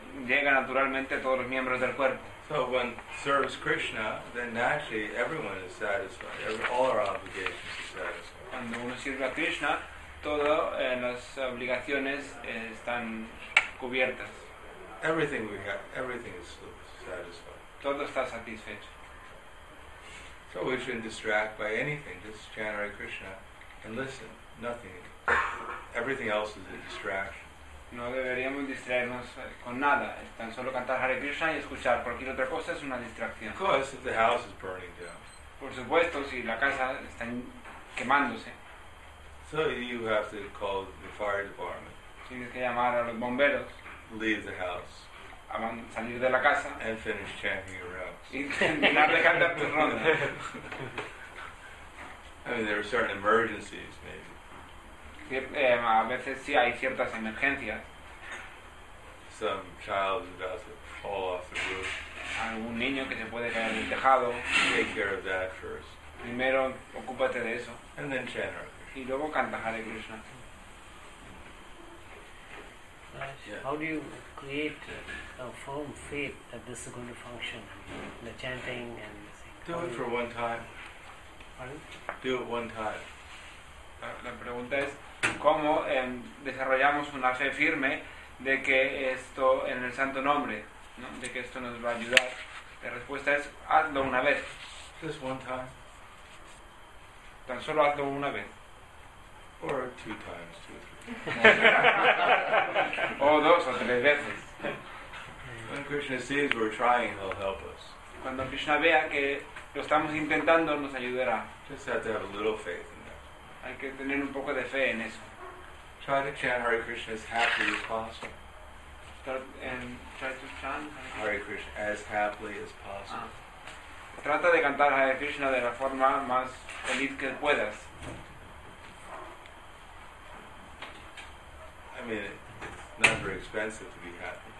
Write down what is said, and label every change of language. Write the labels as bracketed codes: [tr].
[es] llega naturalmente a todos los miembros del cuerpo. [en] So when serves Krishna, then naturally everyone is satisfied. All our obligations are satisfied. [es] Cuando uno sirve a Krishna, todas las obligaciones están cubiertas. [en] Everything we have, everything is satisfied. [es] Todo está satisfecho. [en] So we shouldn't distract by anything. Just chant Hare Krishna and listen. Nothing. Everything else is a distraction. [es] No deberíamos distraernos con nada. Tan solo cantar Hare Krishna y escuchar cualquier otra cosa es una distracción. [en] Of course, if the house is burning down. [es] Por supuesto, si la casa está quemándose. [en] So you have to call the fire department. [es] Tienes que llamar a los bomberos. [en] Leave the house. [es] Salir de la casa. [en] And finish chanting your rounds. [es] Y terminar de cantar tu ronda. [en] I mean, there are certain emergencies, maybe. [es] A veces sí hay ciertas emergencias. [en] Some child is about to fall off the roof. [es] Algún niño que se puede caer del tejado. [en] Take care of that first. [es] Primero ocúpate de eso. [en] And then chant. [es] Y luego canta Hare Krishna. [en] Nice. Yeah. How do you create a firm faith that this is going to function? The chanting and the thing. Do it for one time. Pardon? Do it one time. [es] La pregunta es cómo desarrollamos una fe firme de que esto en el santo nombre, ¿no? De que esto nos va a ayudar. La respuesta es hazlo una vez. [en] Just one time. [es] Tan solo hazlo una vez. [en] Or two times, two or three. [es] O dos o tres veces. [en] When Krishna sees we're trying, he'll help us. [es] Cuando Krishna vea que lo estamos intentando, nos ayudará. [en] Just have to have a little faith. [es] Hay que tener un poco de fe en eso. [en] Try to chant Hare Krishna as happily as possible. Try to chant Hare Krishna as happily as possible. [es] Trata de cantar Hare Krishna de la forma más feliz que puedas. [en] I mean, it's not very expensive to be happy.